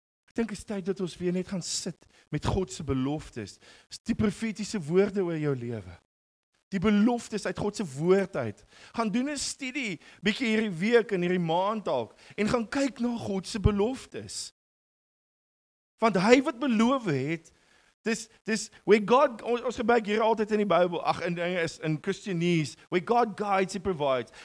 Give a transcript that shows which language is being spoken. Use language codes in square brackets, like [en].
[af] Ek dink is tyd dat ons weer net gaan sit met God se beloftes, die profetiese woorde oor jou lewe. Die beloftes uit God se woord uit. Gaan doen 'n studie bietjie hierdie week en hierdie maand dalk en gaan kyk na God se beloftes. Want hy wat beloof het, Dis where God, ons gebruik hier altyd in die Bybel, in Christianese, [en] where God guides, he provides.